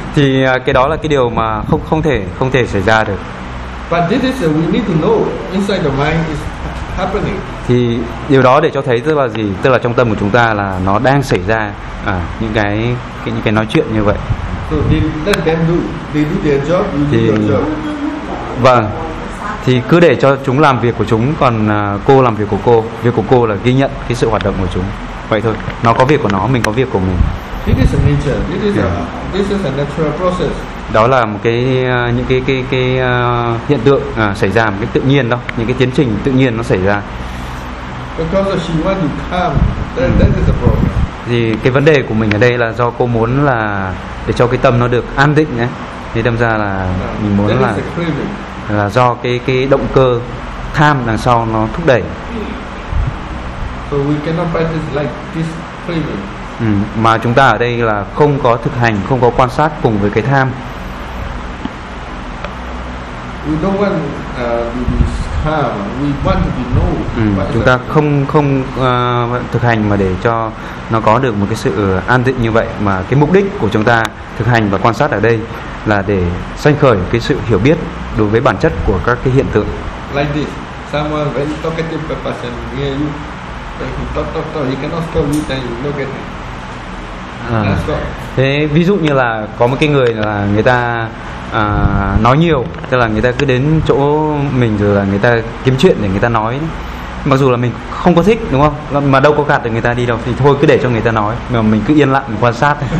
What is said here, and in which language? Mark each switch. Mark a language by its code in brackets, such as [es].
[vi] Thì cái đó là cái điều mà không thể xảy ra được. [en] But this is we need to know inside the mind is happening. [vi] Thì điều đó để cho thấy tức là gì? Tức là trong tâm của chúng ta là nó đang xảy ra những cái nói chuyện như vậy. [en] So they let them do. They do their job, you do your job. [vi] Vâng. Thì cứ để cho chúng làm việc của chúng, còn cô làm việc của cô. Việc của cô là ghi nhận cái sự hoạt động của chúng. Vậy thôi. Nó có việc của nó, mình có việc của mình. [en] This is a nature. This is a natural process. [vi] Đó là một cái những cái hiện tượng xảy ra một cái tự nhiên đó, những cái tiến trình tự nhiên nó xảy ra. [en] Because she wants to come, that is the problem. [vi] Thì cái vấn đề của mình ở đây là do cô muốn là để cho cái tâm nó được an định nhé. Thì đâm ra là mình muốn là do cái động cơ tham đằng sau nó thúc đẩy. [en] So we cannot practice like this craving. [vi] Mà chúng ta ở đây là không có thực hành, không có quan sát cùng với cái tham. [en] We don't want to be calm. We want to be know. [vi] Chúng ta không thực hành mà để cho nó có được một cái sự an định như vậy, mà cái mục đích của chúng ta thực hành và quan sát ở đây là để sanh khởi cái sự hiểu biết đối với bản chất của các cái hiện tượng. [en] Like this, someone very talkative person near you, talk, he cannot stop you, then you look at him. [vi] Thế ví dụ như là có một cái người là người ta nói nhiều, tức là người ta cứ đến chỗ mình rồi là người ta kiếm chuyện để người ta nói, mặc dù là mình không có thích, đúng không, mà đâu có gạt được người ta đi đâu, thì thôi cứ để cho người ta nói mà mình cứ yên lặng quan sát.